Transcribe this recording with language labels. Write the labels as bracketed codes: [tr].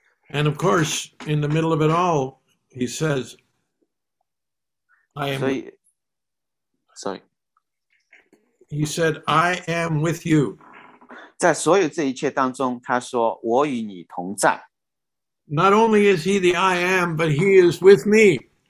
[en] And of course, in the middle of it all, he says, I am. He said, I am with you. [zh] 在所有这一切当中，他说，我与你同在。 [en] Not only is he the I am, but he is with me.